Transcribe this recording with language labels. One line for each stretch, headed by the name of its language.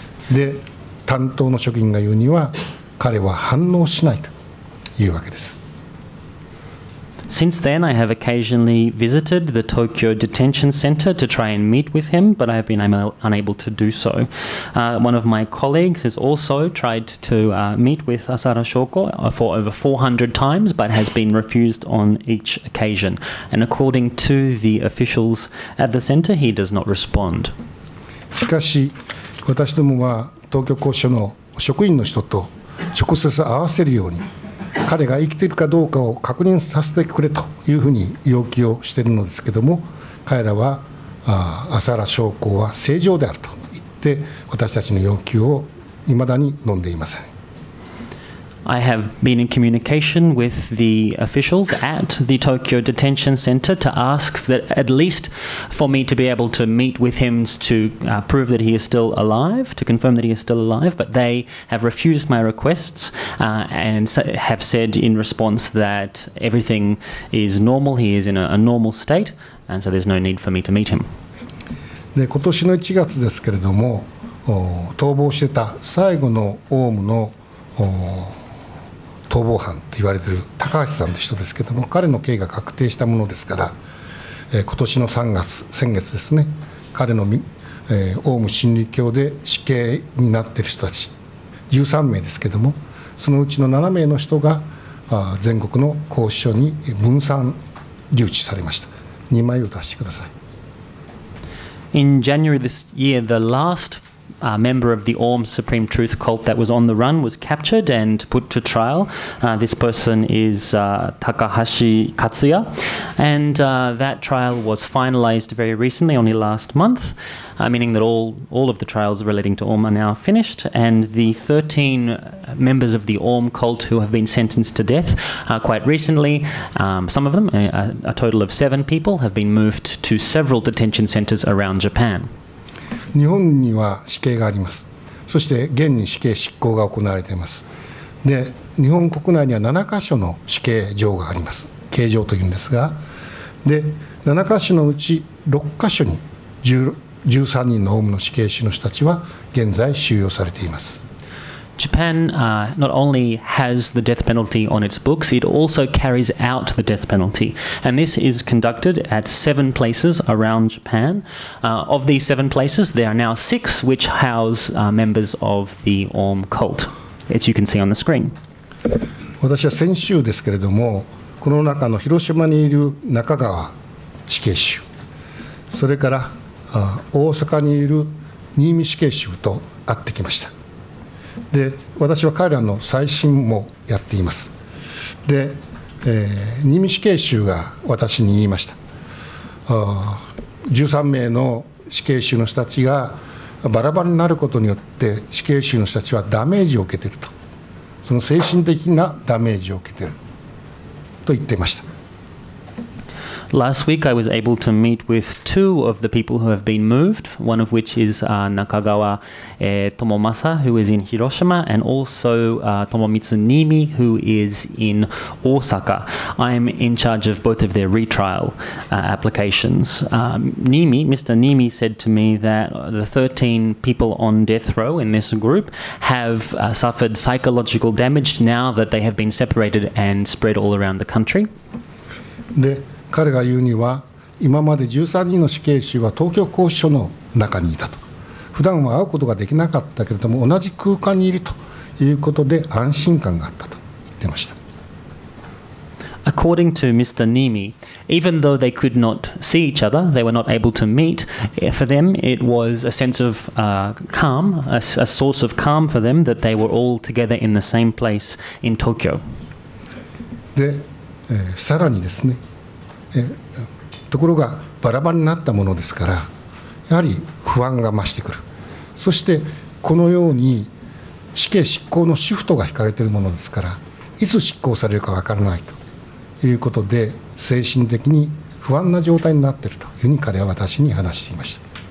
Japanese: で、担当の職員が言うには、彼は反応しないというわけです。
English: Since then, I have occasionally visited the Tokyo Detention Center to try and meet with him, but I have been unable to do so. One of my colleagues has also tried to meet with Asahara Shoko for over 400 times, but has been refused on each occasion. And according to the officials at the center, he does not respond.
Japanese: しかし、私どもは東京拘置所の職員の人と直接会わせるように彼が生きているかどうかを確認させてくれというふうに要求をしているのですけども彼らは朝原将校は正常であると言って私たちの要求を未だに飲んでいません。
English: I have been in communication with the officials at the Tokyo Detention Center to ask that at least for me to be able to meet with him to prove that he is still alive, to confirm that he is still alive, but they have refused my requests and have said in response that everything is normal, he is in a normal state, and so there's no need for me to meet him.
Japanese: で、今年の1月ですけれども、逃亡してた最後のオウムの逃亡犯と言われている高橋さんという人ですけれども彼の刑が確定したものですから、今年の3月先月ですね彼の、オウム真理教で死刑になっている人たち13名ですけども、そのうちの7名の人が全国の拘置所に分散留置されました。 2枚を出してください。
English: In January this year, the last member of the Aum Supreme Truth cult that was on the run was captured and put to trial. This person is Takahashi Katsuya, and that trial was finalized very recently, only last month, meaning that all of the trials relating to Aum are now finished, and the 13 members of the Aum cult who have been sentenced to death quite recently, some of them, a total of 7 people, have been moved to several detention centers around Japan.
Japanese: 日本には死刑があります。そして現に死刑執行が行われています。で、日本国内には7カ所の死刑場があります。刑場というんですが、で、7カ所のうち6カ所に13人のオウムの死刑囚の人たちは現在収容されています。
English: Japan not only has the death penalty on its books, it also carries out the death penalty. And this is conducted at 7 places around Japan. Of these 7 places, there are now 6 which house members of the Aum cult, as you can see on the screen.
Japanese: 私は先週ですけれども、この中の広島にいる中川死刑囚、それから大阪にいる新見死刑囚と会ってきました。で、私は彼らの再審もやっています。で、新見死刑囚が私に言いました。 13名の死刑囚の人たちがバラバラになることによって死刑囚の人たちはダメージを受けていると、その精神的なダメージを受けていると言っていました。
English: Last week I was able to meet with two of the people who have been moved, one of which is Nakagawa Tomomasa, who is in Hiroshima, and also Tomomitsu Nimi, who is in Osaka. I'm in charge of both of their retrial applications. Mr. Nimi said to me that the 13 people on death row in this group have suffered psychological damage now that they have been separated and spread all around the country.
Japanese: で、彼が言うには、今まで13人の死刑囚は東京拘置所の中にいたと。普段は会うことができなかったけれども、同じ空間にいるということで安心感があったと言ってました。
English: According to Mr. Nimi, even though they could not see each other, they were not able to meet, for them it was a sense of calm, a source of calm for them that they were all together in the same place in Tokyo.
Japanese: で、さらにですね、ところがバラバラになったものですから、やはり不安が増してくる。そしてこのように死刑執行のシフトが引かれているものですから、いつ執行されるか分からないということで、精神的に不安な状態になっているというふうに彼は私に話していました。